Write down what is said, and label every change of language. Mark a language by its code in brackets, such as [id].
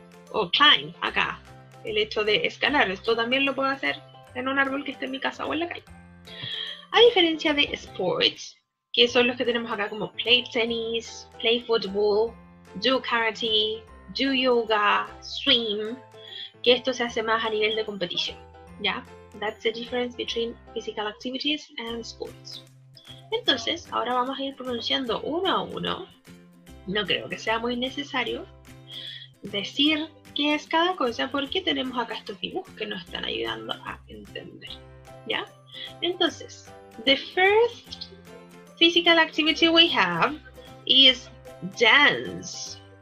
[es] O climb, acá. El hecho de escalar. Esto también lo puedo hacer en un árbol que esté en mi casa o en la calle. A diferencia de sports, que son los que tenemos acá como [en] play tennis, play football, do karate, do yoga, swim, [es] que esto se hace más a nivel de competición, ¿ya? [en] That's the difference between physical activities and sports. [es] Entonces, ahora vamos a ir pronunciando uno a uno. No creo que sea muy necesario decir qué es cada cosa, porque tenemos acá estos dibujos que nos están ayudando a entender, ¿ya? [en] Entonces, the first physical activity we have is dance.